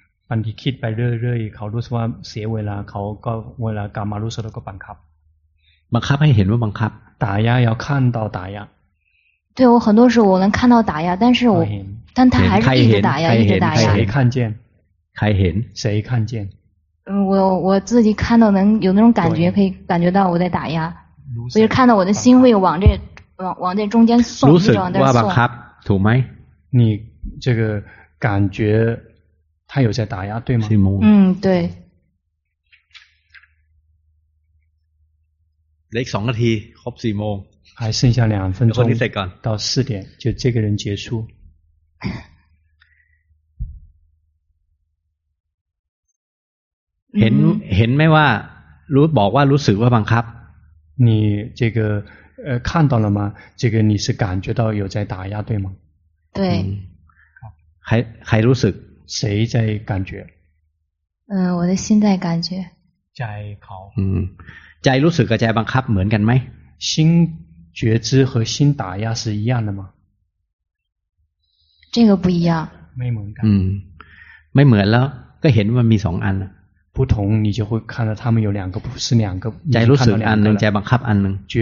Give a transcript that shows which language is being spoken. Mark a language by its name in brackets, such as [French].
[Thai] บางทีคิดไปเรื่อยๆเขารู้สึกว่าเสียเวลาเขาก็เวลากลับมารู้สึกแล้วก็บังคับ บังคับให้เห็นว่าบังคับ [Chinese] 打压要看到打压对我很多时候我能看到打压但是我但他还是一直打压一直打压谁看见开眼谁看见我自己看到能有那种感觉可以感觉到我在打压我就看到我的心会往这中间送一直往那送对吗你这个感觉他有在打压对吗对你爽了提好不好还剩下两分钟到四点就这个人结束 [Thai] เห็นไหมว่ารู้บอกว่ารู้สึกว่าบังคับ [Chinese] 你这个看到了吗这个你是感觉到有在打压对吗对还 [Thai] รู้สึก [Chinese] 谁在感觉我的心在感觉 จเขา [Thai] ใจรู้สึกกับใจบังคับเหมือนกันไหม [Chinese] 心觉知和心打压是一样的吗这个不一样 [Thai] ไม่เหมือนกันไม่เหมือนแล้วก็เห็นว่ามี2อัน [Chinese] 不同你就会看到他们有两个不是两个 [Thai] ใจรู้สึกอันหนึ่งใจบังคับอันหนึ่ง